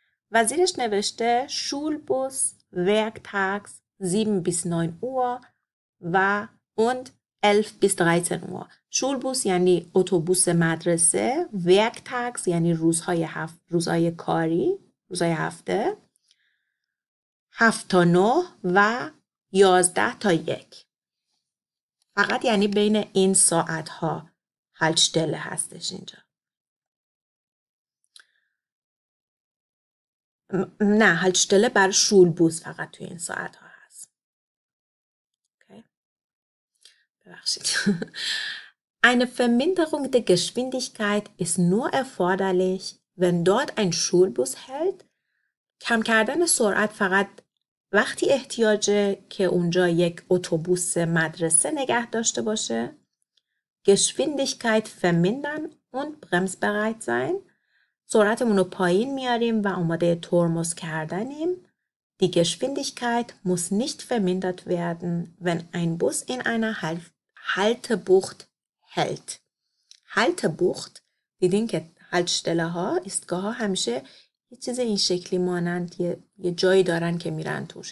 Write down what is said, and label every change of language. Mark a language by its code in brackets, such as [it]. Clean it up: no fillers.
[fa] و زیرش نوشته [de] Schulbus, Werktags, 7 bis 9 Uhr و und 11 bis 13 Uhr. [fa] Schulbus یعنی اتوبوس مدرسه، Werktags یعنی روزهای کاری، روزهای هفته، 7 تا 9 و 11 تا 1. فقط یعنی بین این ساعتها هلتشتله هستش اینجا. نه، هلتشتله بر شولبوس فقط توی این ساعت ها هست. Okay. ببخشید. [de] Eine Verminderung der Geschwindigkeit ist nur erforderlich, wenn dort ein Schulbus hält. [fa] کم کردن سرعت فقط وقتی احتیاجه که اونجا یک اتوبوس مدرسه نگه داشته باشه. [de] Geschwindigkeit vermindern und bremsbereit sein. [fa] سرعتمون رو پایین میاریم و آماده ترمز کردنیم. [de] Die Geschwindigkeit muss nicht vermindert werden, wenn ein Bus in einer Haltebucht hält. [fa] Haltebucht, دیدین که حلتشتله ها، ایستگاه ها همیشه یه چیز این شکلی مانند یه جایی دارن که میرن توش.